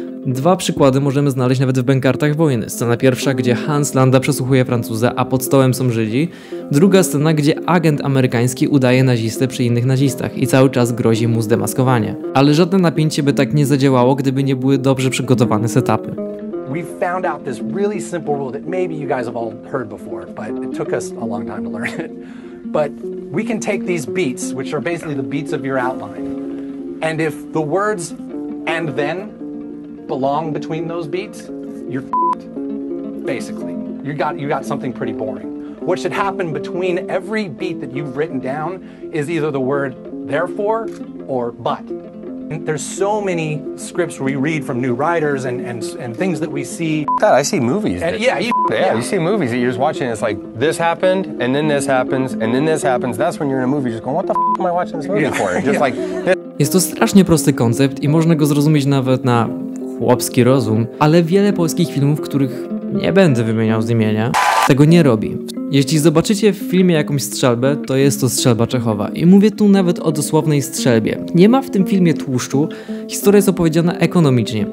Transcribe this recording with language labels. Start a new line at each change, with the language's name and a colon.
Polish: Dwa przykłady możemy znaleźć nawet w Bękartach wojny. Scena pierwsza, gdzie Hans Landa przesłuchuje Francuza, a pod stołem są Żydzi. Druga scena, gdzie agent amerykański udaje nazistę przy innych nazistach i cały czas grozi mu zdemaskowanie. Ale żadne napięcie by tak nie zadziałało, gdyby nie były dobrze przygotowane setupy.
English: We found out this really simple rule that maybe you guys have all heard before, but it took us a long time to learn it. But we can take these beats, which are basically the beats of your outline, and if the words "and then" belong between those beats, you're f***ed, basically. You got something pretty boring. What should happen between every beat that you've written down is either the word "therefore" or "but". And there's so many scripts we read from new writers and things that we see. God, I see movies. You see movies that you're just watching. It's like, this happened, and then this happens, and then this happens. That's when you're in a movie, just going, what the f*** am I watching this movie for? And just like...
Polish: Jest to strasznie prosty koncept i można go zrozumieć nawet na chłopski rozum, ale wiele polskich filmów, których nie będę wymieniał z imienia, tego nie robi. Jeśli zobaczycie w filmie jakąś strzelbę, to jest to strzelba Czechowa. I mówię tu nawet o dosłownej strzelbie. Nie ma w tym filmie tłuszczu, historia jest opowiedziana ekonomicznie.